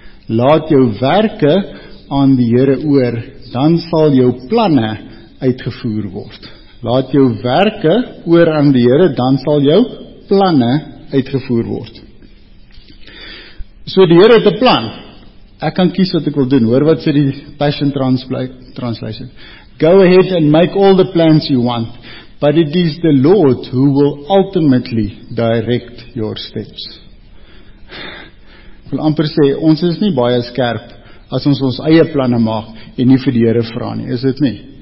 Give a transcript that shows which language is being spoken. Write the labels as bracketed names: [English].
[Afrikaans] Laat jou werke aan die Here oor, dan sal jou planne uitgevoer word. Laat jou werke oor aan die Here, dan sal jou planne uitgevoer word. So die Here het 'n plan. Ek kan kies wat ek wil doen. Hoor wat sê die Passion Translation. [English] Go ahead and make all the plans you want, but it is the Lord who will ultimately direct your steps. [Afrikaans] Ek wil amper sê, ons is nie baie skerp as ons eie planne maak en nie vir die Here vra nie, is dit nie?